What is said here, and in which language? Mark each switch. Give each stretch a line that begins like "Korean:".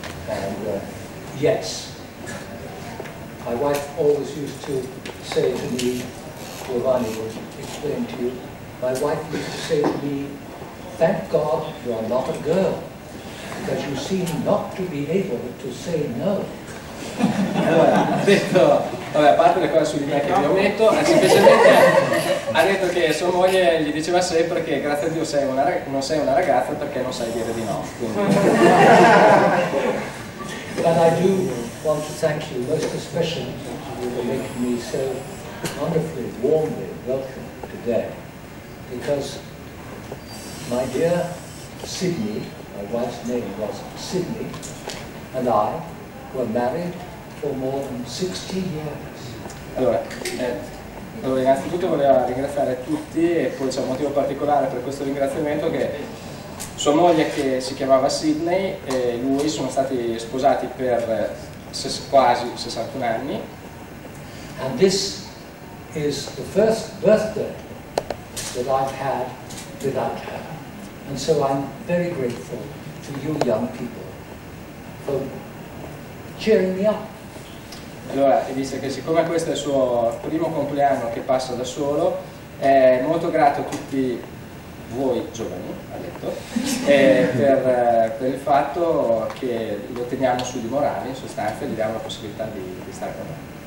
English: And yes. My wife always used to say to me, Giovanni would explain to you, my wife used to say to me, thank God you are not a girl, because you seem not to be able to say no.
Italian: Vabbè, a parte le cose su di me che vi ho detto, semplicemente ha detto che sua moglie gli diceva sempre che grazie a Dio sei una non sei una ragazza perché non sai dire di no.
English: But I do want to thank you most especially for making me so wonderfully warmly welcome today, because my dear Sydney, my wife's name was Sydney, and I were married for more than 60 years.
Italian: Allora, innanzitutto voleva ringraziare tutti, e poi c'è un motivo particolare per questo ringraziamento, che sua moglie, che si chiamava Sydney, e lui sono stati sposati per quasi 61 anni.
English: And this is the first birthday that I've had without her. And so I'm very grateful to you young people for cheering me up.
Italian: Allora, e dice che siccome questo è il suo primo compleanno che passa da solo, è molto grato a tutti voi giovani, ha detto, per il fatto che lo teniamo su di morale, in sostanza, gli diamo la possibilità di stare con noi.